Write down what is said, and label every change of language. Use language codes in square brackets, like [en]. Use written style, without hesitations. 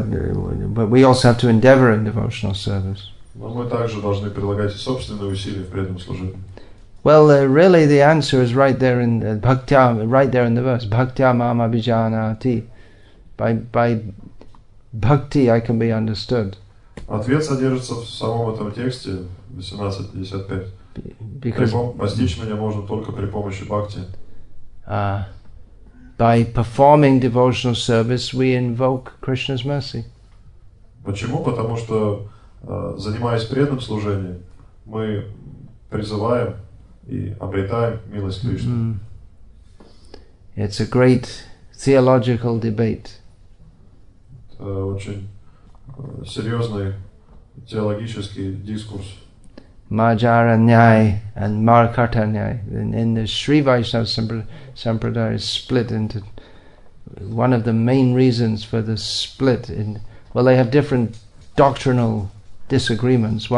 [en] But we also have to endeavor in devotional service. [ru] Но мы также должны прилагать собственные усилия в преданном служении. [en] Well, really the answer is right there in the bhaktya, right there in the verse. [sa] Bhaktya mam abhijanati. [en] By bhakti I can be understood. [ru] Ответ содержится в самом этом тексте, 18.55. Постичь меня можно только при помощи бхакти. [en] By performing devotional service, we invoke Krishna's mercy. [ru] Почему? Потому что занимаясь преданным служением, мы призываем и обретаем милость Кришны. Mm-hmm. [en] It's a great theological debate. [ru] Это очень серьезный теологический дискурс. [en] Majaranyai and Markartanyai in the Sri Vaishnava Sampradaya is split into one of the main reasons for the split in, well, they have different doctrinal disagreements.